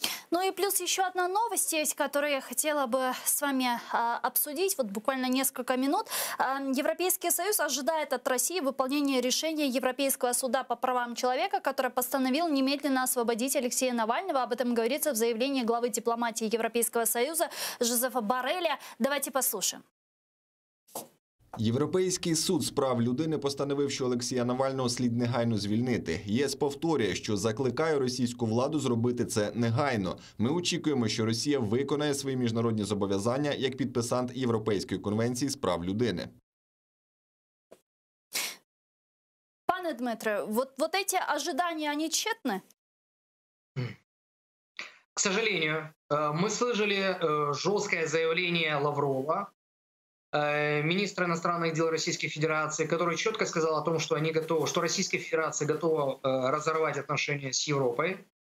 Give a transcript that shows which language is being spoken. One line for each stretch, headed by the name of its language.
Russian: Ну и плюс еще одна новость есть, которую я хотела бы с вами обсудить, вот буквально несколько минут. Европейский Союз ожидает от России выполнения решения Европейского суда по правам человека, который постановил немедленно освободить Алексея Навального. Об этом говорится в заявлении главы дипломатии Европейского Союза Жозефа Борреля. Давайте послушаем.
Ukrainian: Європейський суд з прав людини постановив, що Олексія Навального слід негайно звільнити. ЄС повторює, що закликає російську владу зробити це негайно. Ми очікуємо, що Росія виконає свої міжнародні зобов'язання як підписант Європейської конвенції з прав людини.
Russian: Пане Дмитре, вот эти ожидания, они тщетны? К сожалению, ми слышали
Ukrainian: жорстке заявлення
Russian: Лаврова, министра иностранных дел Российской Федерации, который четко сказал о том, что они готовы, что Российская Федерация готова разорвать отношения с Европой.